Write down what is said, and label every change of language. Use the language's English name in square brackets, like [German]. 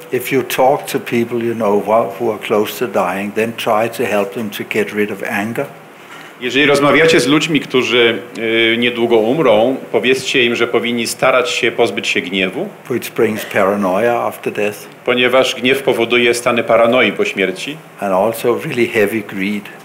[English] If you talk to people, you know, who are close to dying, then try to help them to get rid of anger. [Polish] Jeżeli rozmawiacie z ludźmi, którzy niedługo umrą, powiedzcie im, że powinni starać się pozbyć się gniewu. [English] Which brings paranoia after death. [Polish] Ponieważ gniew powoduje stany paranoi po śmierci. [English] And also really heavy greed.